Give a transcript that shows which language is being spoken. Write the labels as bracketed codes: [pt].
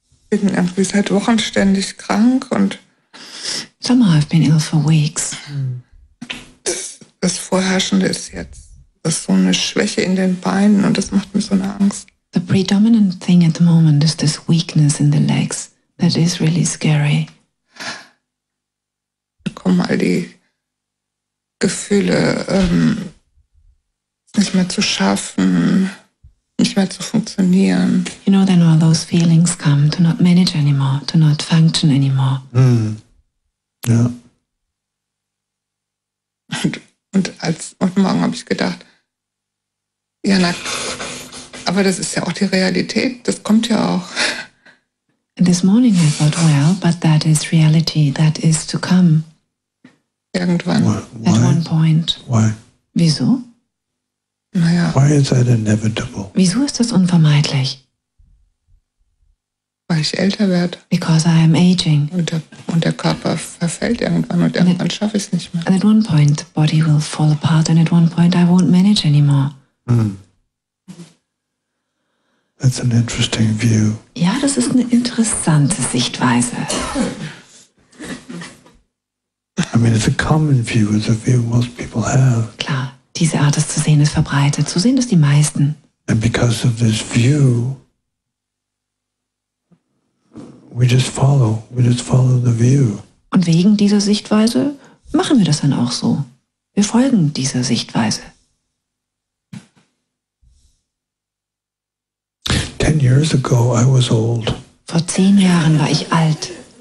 [de] Ich bin irgendwie seit Wochen ständig krank und... [en] Somehow I've been ill for weeks. [de] Das Vorherrschende ist jetzt, das ist so eine Schwäche in den Beinen und das macht mir so eine Angst. [en] The predominant thing at the moment is this weakness in the legs. That is really scary. [de] Da kommen all die Gefühle, nicht mehr zu schaffen, nicht mehr zu funktionieren. [en] You know, then all those feelings come, to not manage anymore, to not function anymore. [de] Mm. Ja. Und morgen habe ich gedacht, ja, na, aber das ist ja auch die Realität, das kommt ja auch. [en] And this morning I thought, well, but that is reality, that is to come. [de] Irgendwann. [en] Why? At one point. Why? [de] Wieso? [en] Why is that inevitable? [de] Wieso ist das unvermeidlich? Weil ich älter werde. [en] Because I am aging. [de] Und der Körper verfällt irgendwann und irgendwann schaffe ich es nicht mehr. [en] And at one point the body will fall apart and at one point I won't manage anymore. Mm. That's an interesting view. [de] Ja, das ist eine interessante Sichtweise. [en] I mean, it's a common view. It's a view most people have. [de] Klar. Diese Art, es zu sehen, ist verbreitet. So sehen es die meisten. [en] And because of this view, we just follow. We just follow the view. [de] Und wegen dieser Sichtweise machen wir das dann auch so. Wir folgen dieser Sichtweise. [en] 10 years ago, I was old. [de] Vor 10 Jahren war ich alt.